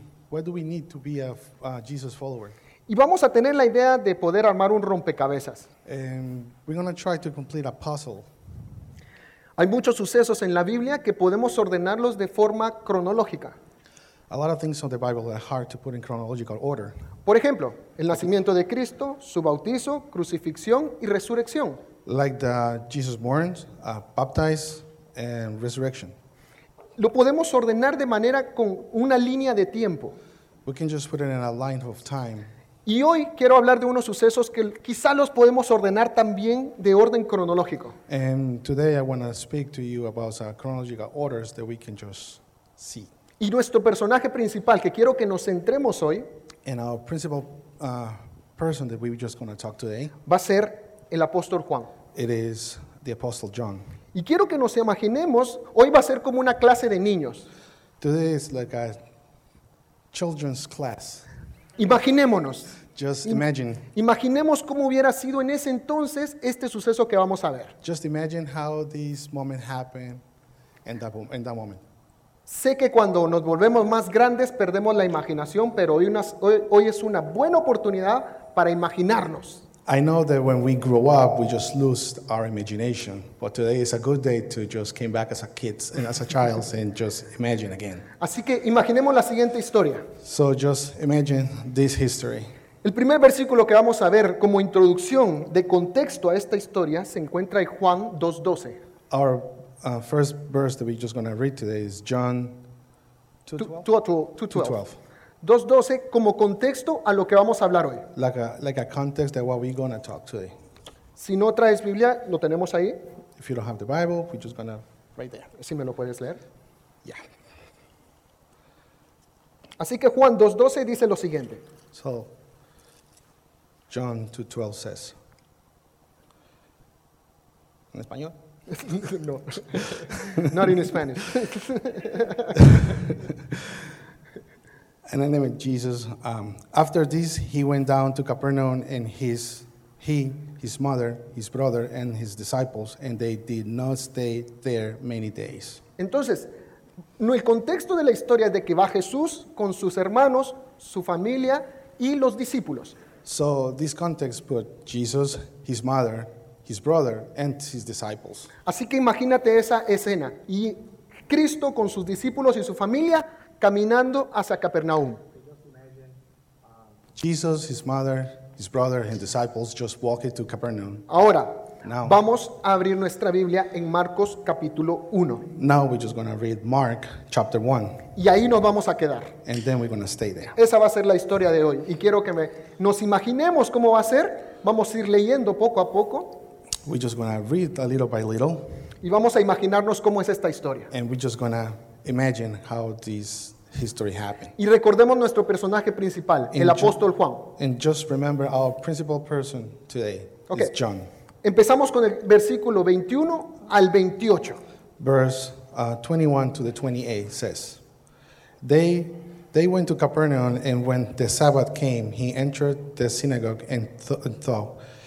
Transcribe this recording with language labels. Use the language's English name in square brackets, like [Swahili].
[English] What do we need to be a Jesus follower? [Spanish] Y vamos a tener la idea de poder armar un rompecabezas. [English] We're going to try to complete a puzzle. [Spanish] Hay muchos sucesos en la Biblia que podemos ordenarlos de forma cronológica. [English] A lot of things in the Bible are hard to put in chronological order. [Spanish] Por ejemplo, el nacimiento de Cristo, su bautizo, crucifixión y resurrección. [English] Like the Jesus born, baptized, and resurrection. [Spanish] Lo podemos ordenar de manera con una línea de tiempo. [English] We can just put it in a line of time. [Spanish] Y hoy quiero hablar de unos sucesos que quizá los podemos ordenar también de orden cronológico. [English] And today I want to speak to you about some chronological orders that we can just see. [Spanish] Y nuestro personaje principal que quiero que nos centremos hoy, [English] and our principal person that we're just going to talk today, [Spanish] va a ser el apóstol Juan. [English] It is the apostle John. [Spanish] Y quiero que nos imaginemos, hoy va a ser como una clase de niños. [English] Today is like a children's class. [Spanish] Imaginémonos. [English] Just imagine. [Spanish] Imaginemos cómo hubiera sido en ese entonces este suceso que vamos a ver. [English] Just imagine how this moment happened in that moment. [Spanish] Sé que cuando nos volvemos más grandes perdemos la imaginación, pero hoy es una buena oportunidad para imaginarnos. [English] I know that when we grow up, we just lose our imagination. But today is a good day to just come back as a kid and as a child and just imagine again. [Spanish] Así que imaginemos la siguiente historia. [English] So just imagine this history. [Spanish] El primer versículo que vamos a ver como introducción de contexto a esta historia se encuentra en Juan 2:12. [English] Our first verse that we're just going to read today is John 2:12. [Spanish] 2:12 como contexto a lo que vamos a hablar hoy. [English] Like a context of what we're going to talk today. [Spanish] Si no traes Biblia, lo tenemos ahí. [English] If you don't have the Bible, we're just going to... Right there. [Spanish] ¿Sí me lo puedes leer? [English] Yeah. [Spanish] Así que Juan 2:12 dice lo siguiente. [English] So, John 2:12 says... [Spanish] ¿En español? [English] No. Not in Spanish. And then Jesus, after this, he went down to Capernaum, and his mother, his brother, and his disciples, and they did not stay there many days. [Spanish] Entonces, el contexto de la historia es de que va Jesús con sus hermanos, su familia, y los discípulos. [English] So this context put Jesus, his mother, his brother, and his disciples. [Spanish] Así que imagínate esa escena, y Cristo con sus discípulos y su familia caminando hacia Capernaum. [English] Jesus, his mother, his brother, and disciples just walked to Capernaum. [Spanish] Ahora, [English] now, [Spanish] vamos a abrir nuestra Biblia en Marcos capítulo 1. [English] Now we're just going to read Mark chapter 1. [Spanish] Y ahí nos vamos a quedar. [English] And then we're going to stay there. [Spanish] Esa va a ser la historia de hoy. Y quiero que nos imaginemos cómo va a ser. Vamos a ir leyendo poco a poco. [English] We're just going to read a little by little. [Spanish] Y vamos a imaginarnos cómo es esta historia. [English] And we're just going to imagine how this history happened. [Spanish] Y recordemos nuestro personaje principal, el apóstol Juan. [English] And just remember our principal person today is John. [Spanish] Empezamos con el versículo 21 al 28. [English] Verse 21 to the 28 says, They went to Capernaum, and when the Sabbath came, he entered the synagogue and thought.